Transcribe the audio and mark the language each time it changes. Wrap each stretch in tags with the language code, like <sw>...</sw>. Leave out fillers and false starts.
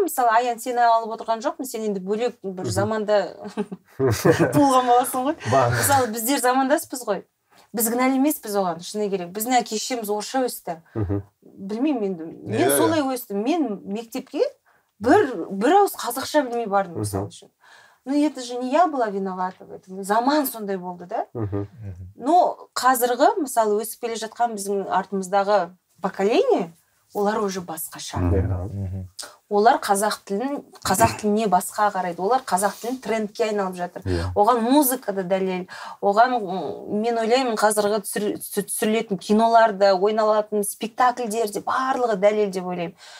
<kk>Мысалы, Аян сені алып отырған жоқ, сен енді бөлек бір заманда туылған боласың ғой. Мысалы, біздер замандаспыз ғой. Біз кінәлі емеспіз оған, шыны керек. Біздің әкешеміз орысша өсті. Білмеймін енді. Мен солай өстім. Мен мектепке бір ауыз қазақша білмей бардым, мысалы үшін.</kk> <ru>Ну, это же не я была виновата в этом.</ru> <kk>Заман сондай болды, да? Но қазіргі, мысалы, өсіп келе жатқан біздің артымыздағы поколение, олар уже басқаша. Олар қазақ тіліне басқа қарайды. Олар қазақ тілін трендке айналып жатыр. Оған музыка да дәлел. Оған мен ойлаймын, қазіргі түсірілетін киноларда ойналатын спектакльдерде барлығы дәлел деп ойлаймын.</kk>